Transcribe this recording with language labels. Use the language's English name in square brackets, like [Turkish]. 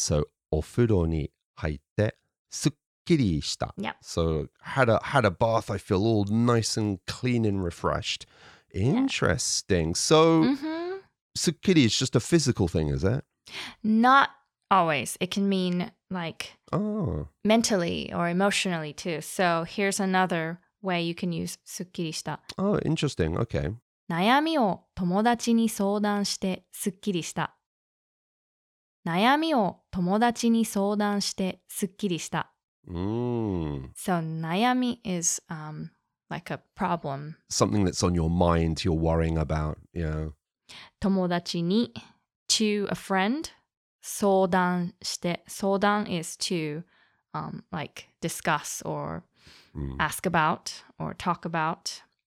[Japanese] So お風呂に入ってすっきりした。 [English] Yep. So had a bath, I feel all nice and clean and refreshed. Interesting. Yeah. So すっきり is just a physical thing, is it? Not always. It can mean like mentally or emotionally too. So here's another way you can use [Japanese] すっきりした。 [English] Oh, interesting. Okay. [Japanese] 悩みを友達に相談してすっきりした。悩みを友達に相談してすっきりした。 [English] So, 悩み is like a problem. Something that's on your mind, you're worrying about, yeah. [Japanese] 友達に [English] to a friend [Japanese] 相談して相談 [English] is to like discuss or ask about or talk about.